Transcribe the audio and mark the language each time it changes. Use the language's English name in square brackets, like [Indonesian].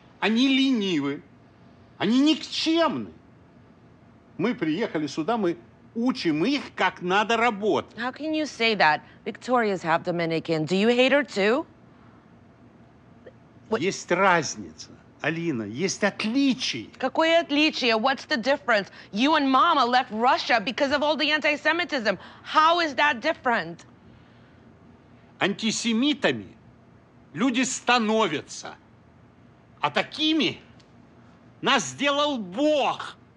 [Russian] Они ленивы. Они никчемны. Мы приехали сюда, мы учим их, как надо работать. [English] How can you say that? Victoria's half Dominican. Do you hate her too? What? [Russian] Есть разница, Алина, есть отличие. Какое отличие? [English] What's the difference? You and Mama left Russia because of all the anti-Semitism. How is that different? [Russian] Антисемитами люди становятся, а такими нас сделал Бог.